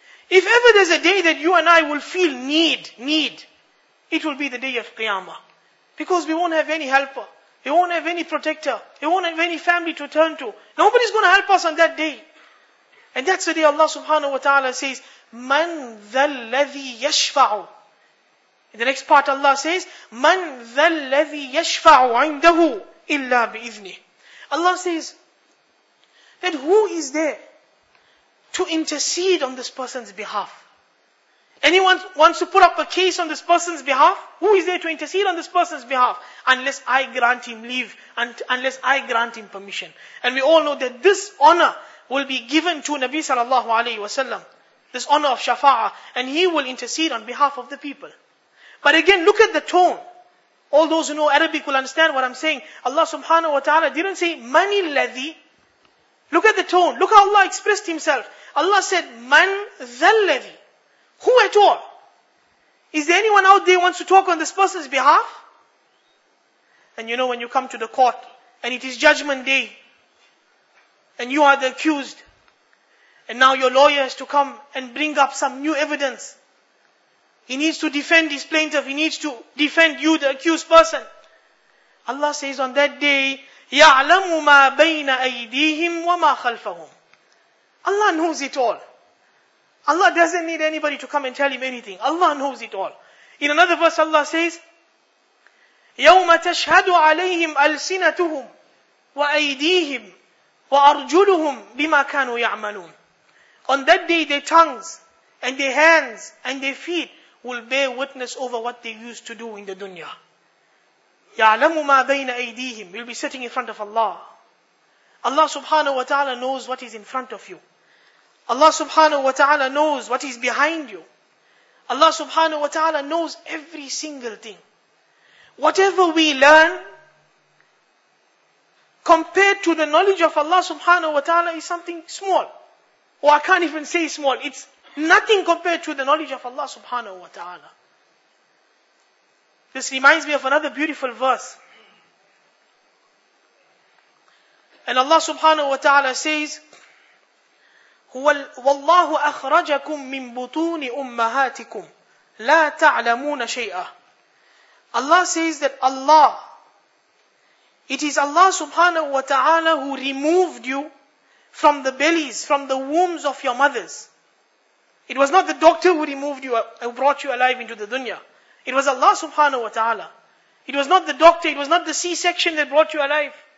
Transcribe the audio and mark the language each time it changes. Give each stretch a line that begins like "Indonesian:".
English: If ever there's a day that you and I will feel need, it will be the day of Qiyamah. Because we won't have any helper. He won't have any protector. He won't have any family to turn to. Nobody's going to help us on that day. And that's the day Allah subhanahu wa ta'ala says,
Arabic: مَنْ ذَا الَّذِي يَشْفَعُ.
English: In the next part Allah says,
Arabic: مَنْ ذَا الَّذِي يَشْفَعُ عِنْدَهُ إِلَّا بِإِذْنِهِ.
English: Allah says, that who is there to intercede on this person's behalf? Anyone wants to put up a case on this person's behalf? Who is there to intercede on this person's behalf? Unless I grant him leave, and unless I grant him permission. And we all know that this honor will be given to Nabi sallallahu alayhi wa sallam. This honor of shafa'ah. And he will intercede on behalf of the people. But again, look at the tone. All those who know Arabic will understand what I'm saying. Allah subhanahu wa ta'ala didn't say, mani alladhi. Look at the tone. Look how Allah expressed himself. Allah said, man dhalladhi. Who at all? Is there anyone out there who wants to talk on this person's behalf? And you know when you come to the court and it is judgment day and you are the accused and now your lawyer has to come and bring up some new evidence. He needs to defend his plaintiff. He needs to defend you, the accused person. Allah says on that day,
Arabic: يَعْلَمُ مَا بَيْنَ أَيْدِيهِمْ وَمَا خَلْفَهُمْ.
English: Allah knows it all. Allah doesn't need anybody to come and tell him anything. Allah knows it all. In another verse, Allah says,
Arabic: يوم تشهد عليهم ألسنتهم وأيديهم وأرجلهم بما كانوا يعملون.
English: On that day their tongues and their hands and their feet will bear witness over what they used to do in the dunya.
Arabic: يعلم ما بين أيديهم.
English: You'll be sitting in front of Allah. Allah subhanahu wa ta'ala knows what is in front of you. Allah subhanahu wa ta'ala knows what is behind you. Allah subhanahu wa ta'ala knows every single thing. Whatever we learn, compared to the knowledge of Allah subhanahu wa ta'ala, is something small. Or I can't even say small. It's nothing compared to the knowledge of Allah subhanahu wa ta'ala. This reminds me of another beautiful verse. And Allah subhanahu wa ta'ala says,
Arabic: وَاللَّهُ أَخْرَجَكُمْ مِنْ بُطُونِ أُمَّهَاتِكُمْ لَا تَعْلَمُونَ شَيْئًا.
English: Allah says that Allah, it is Allah subhanahu wa ta'ala who removed you from the bellies, from the wombs of your mothers. It was not the doctor who removed you, who brought you alive into the dunya. It was Allah subhanahu wa ta'ala. It was not the doctor, it was not the C-section that brought you alive.